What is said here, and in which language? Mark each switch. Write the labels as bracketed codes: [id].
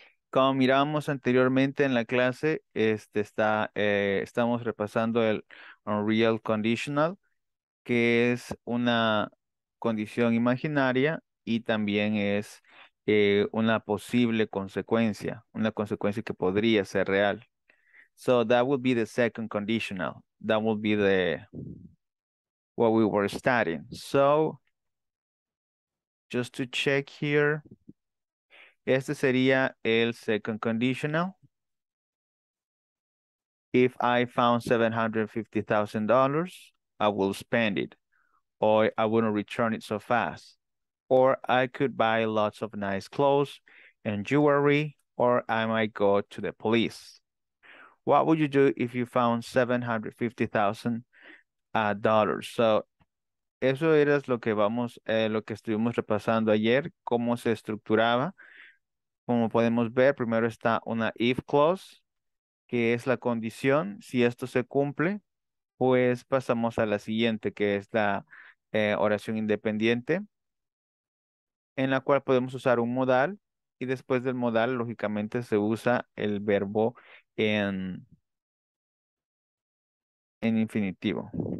[es] Como mirábamos anteriormente en la clase, estamos repasando el unreal conditional, que es una condición imaginaria y también es una posible consecuencia, una consecuencia que podría ser real. [en] So that would be the second conditional. That would be the what we were studying. So just to check here, [es] este sería el [en] second conditional. If I found $750,000, I will spend it, or I wouldn't return it so fast. Or I could buy lots of nice clothes and jewelry, or I might go to the police. What would you do if you found $750,000? [es] So, eso era lo que estuvimos repasando ayer, cómo se estructuraba. Como podemos ver, primero está una if clause, que es la condición. Si esto se cumple, pues pasamos a la siguiente, que es la oración independiente, en la cual podemos usar un modal, y después del modal, lógicamente, se usa el verbo en infinitivo.